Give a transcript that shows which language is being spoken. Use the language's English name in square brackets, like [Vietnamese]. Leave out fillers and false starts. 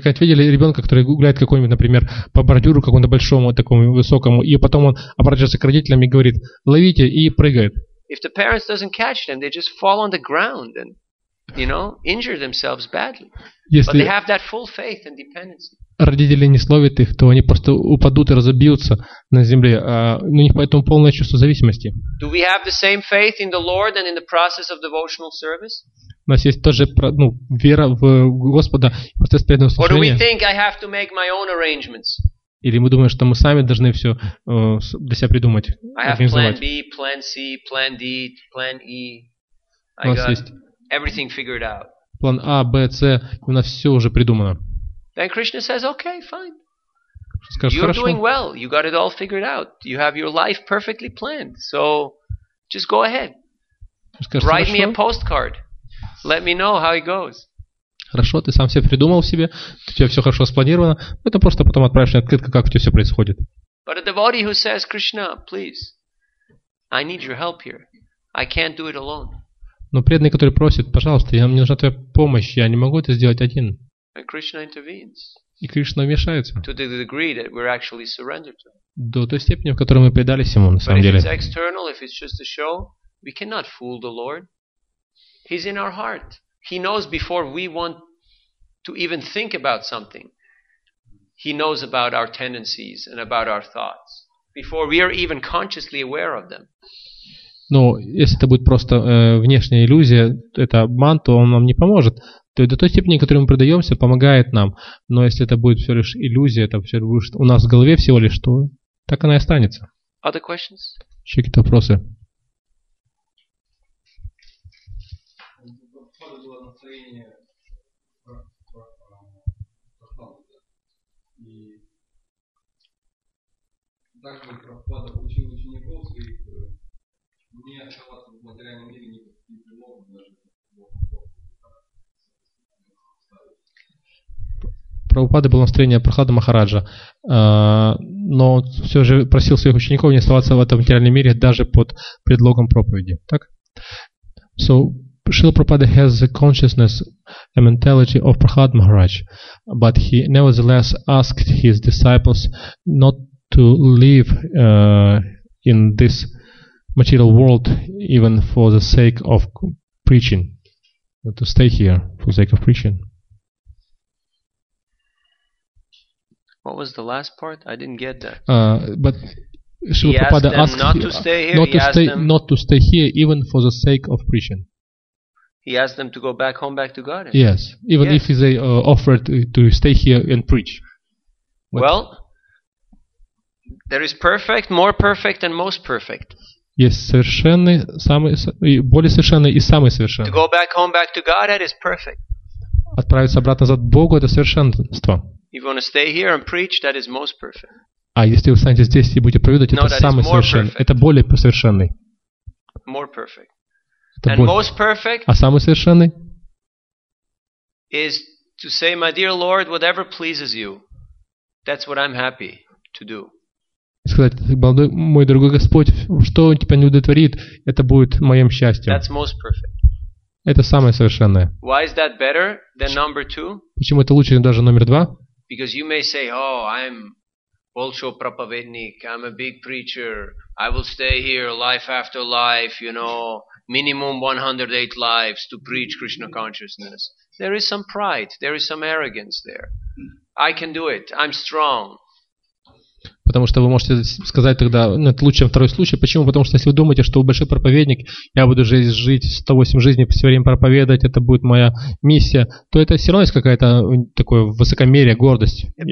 [Russian] как-нибудь видели ребенка, который гуляет какой-нибудь, например, по бордюру какому-то большому, такому высокому, и потом он обращается к родителям и говорит, ловите, и прыгает. [English] If the parents doesn't catch them, they just fall on the ground and you know, injure themselves badly. [Russian] Если [English] but they have that full faith and dependency. [Russian] Родители не словят их, то они просто упадут и разобьются на земле. У них поэтому полное чувство зависимости. [English] Do we have the same faith in the Lord and in the process of devotional service? [Russian] У нас есть тоже вера в Господа и процесс преданного служения. [English] Or do we think I have to make my own arrangements? [Russian] Или мы думаем, что мы сами должны все для себя придумать, организовать? [English] I have plan B, plan C, plan D, plan E. [Russian] У нас есть [English] everything figured out. [Russian] План А, Б, С, у нас все уже придумано. [English] Then Krishna says, okay, fine. [Russian] Скажешь, [English] you're [Russian] хорошо. [English] Doing well. You got it all figured out. You have your life perfectly planned. So, just go ahead. [Russian] Скажешь, [English] write [Russian] хорошо. [English] Me a postcard. Let me know how it goes. [Russian] Хорошо, ты сам все придумал себе. У тебя все хорошо спланировано. Это просто потом отправишь мне открытку, как у тебя все происходит. [English] But a devotee who says, Krishna, please, I need your help here. I can't do it alone. [Russian] Но преданный, который просит, пожалуйста, мне нужна твоя помощь, я не могу это сделать один. [English] And Krishna intervenes. [Russian] И Кришна вмешается. [English] To the degree that we're actually surrendered to. [Russian] До той степени, в которой мы предались ему, на самом [English] But [Russian] деле. [English] But if it's external, if it's just a show, we cannot fool the Lord. He's in our heart. He knows before we want to even think about something. He knows about our tendencies and about our thoughts. Before we are even consciously aware of them. [Russian] Но если это будет просто внешняя иллюзия, это обман, то он нам не поможет. То до той степени, которой мы продаемся, помогает нам. Но если это будет все лишь иллюзия, это все будет у нас в голове всего лишь, то так она и останется. [English] Other questions? [Russian] Еще какие-то вопросы? Прабхупада было настроение Прахлада Махараджа, но он все же просил своих учеников не оставаться в этом материальном мире даже под предлогом проповеди. Так? [English] So Srila Prabhupada has the consciousness and mentality of Prahlad Maharaj, but he nevertheless asked his disciples not to live in this material world even for the sake of preaching, but to stay here for the sake of preaching. What was the last part? I didn't get that. But Srila Prabhupada asked not to stay here. Not to stay here even for the sake of preaching. He asked them to go back home, back to God. Yes, even if they offered to stay here and preach. But well, there is perfect, more perfect, and most perfect. [Russian] Yes, совершенный, самый, более совершенный и самый совершенный. [English] To go back home, back to God, that is perfect. [Russian] Отправиться обратно назад к Богу — это совершенство. [English] If you want to stay here and preach, that is most perfect. [Russian] А если вы останетесь здесь и будете проповедовать, это самый совершенный. Это более совершенный. [English] More perfect. And most perfect. [Russian] А самый совершенный? [English] Is to say, my dear Lord, whatever pleases you, that's what I'm happy to do. [Russian] Сказать, мой дорогой Господь, что он тебя не удовлетворит, это будет моим счастьем. [English] That's most perfect. [Russian] Это самое совершенное. [English] Why is that better than number two? [Russian] Почему это лучше, чем даже номер два? [English] Because you may say, oh, I'm also prapavednik, I'm a big preacher, I will stay here life after life, you know, minimum 108 lives to preach Krishna consciousness. There is some pride, there is some arrogance there. I can do it, I'm strong. [Russian] Потому что вы можете сказать тогда, ну, это лучше, чем второй случай. Почему? Потому что если вы думаете, что вы большой проповедник, я буду жить 108 жизней, все время проповедовать, это будет моя миссия, то это все равно есть какая-то такое высокомерие, гордость.